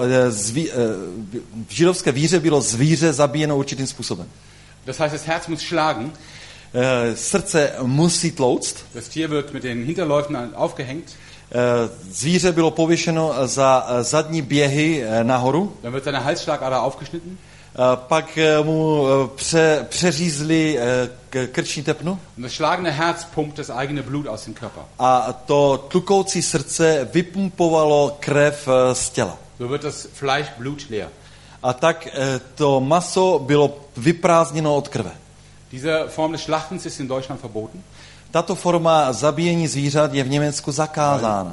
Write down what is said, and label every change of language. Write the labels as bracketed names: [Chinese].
[Czech] V židovské víře bylo zvíře zabíjeno určitým způsobem. [German] Das heißt, das Herz muss schlagen. [Czech] Srdce musí tlouct. [German] Das Tier wird mit den Hinterläufen aufgehängt. [Czech] Zvíře bylo pověšeno za zadní běhy nahoru. [German] Dann wird seine Halsschlagader aufgeschnitten. [Czech] Pak mu přeřízli krční tepnu. [German] Und das schlagende Herz pumpt das eigene Blut aus dem Körper. [Czech] A to tlukoucí srdce vypumpovalo krev z těla. [German] So wird das Fleisch blutleer. [Czech] A tak to maso bylo vyprázdněno od krve. [German] Diese Form des Schlachtens ist in Deutschland verboten. [Czech] Tato forma zabíjení zvířat je v Německu zakázána.